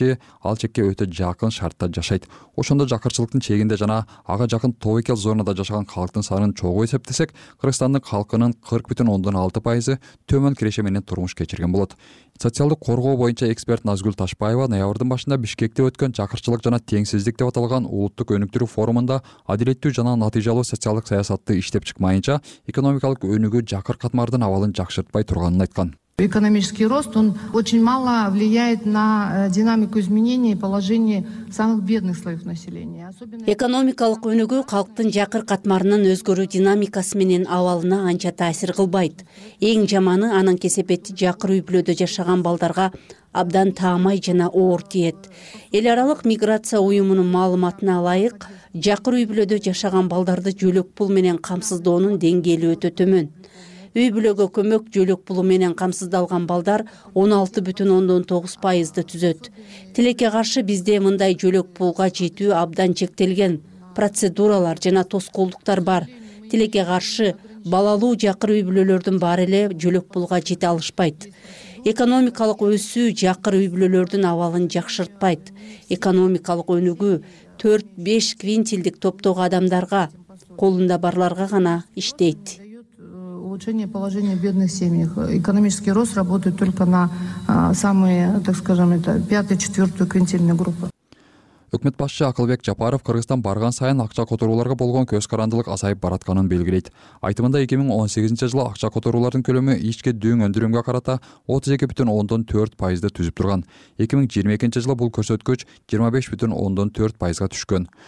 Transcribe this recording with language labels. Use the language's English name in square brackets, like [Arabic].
[Kyrgyz] киши ал чекке өтө жакын шартта жашайт. Ошондо жакырчылыктын чегинде жана ага жакын Тобекел зонада жашаган халктын санын чогуу эсептесек, Кыргызстандын халкынын 40.6% төмөн киреше менен турмуш кечирген болот. Социалдык коргоо боюнча эксперт Назгүл Ташбаева ноябрдын башында Бишкекте өткөн жакырчылык жана теңсиздик деп аталган улуттук өнүктүрүү форумунда адилеттүү жана натыйжалуу социалдык саясатты иштеп чыкмайынча экономикалык өнүгүү жакыр катмардын абалын жакшыртпай турганын айткан. [Russian] Экономический рост, он очень мало влияет на динамику изменений положения самых бедных слоев населения. [Kyrgyz] Экономикалык өнүгүү калктын жакыр катмарынын өзгөрүү динамикасы менен абалына анча таасир кылбайт. Эң жаманы анын кесепети жакыр үй-бүлөдө жашаган балдарга абдан таамай жана оор тиет. Эл аралык миграция уюмунун маалыматына ылайык, жакыр үй-бүлөдө жашаган балдарды жөлөк пул менен камсыздоонун деңгээли өтө төмөн. Үй бүлөгө көмөк жөлөк пулу менен камсыздалган балдар 16.9% түзөт. Тилекке каршы бизде мындай жөлөк пулга жетүү абдан чектелген процедуралар жана тоскоолдуктар бар. Тилекке каршы балалуу жакыр үй бүлөлөрдүн баары эле жөлөк пулга жете алышпайт. Экономикалык өсүү жакыр үй бүлөлөрдүн абалын жакшыртпайт. Экономикалык өнүгүү 4-5 квинтилдик топтогу адамдарга, колунда барларга гана иштейт. [Russian] Улучшение положения в бедных семьях. Экономический рост работает только на самые, так скажем, это 5-4 квинтильные группы. [Kyrgyz] Өкмөт башчы Акылбек Жапаров Кыргызстан барган сайын акча которууларга болгон көз карандылык азайып баратканын белгилейт. Айтымында 2018 жылы акча которуулардын көлөмү ички дүйнө өндүрүмгө карата 32.4% түзүп турган. 2022 жылы бул көрсөткүч 25.4% түшкөн.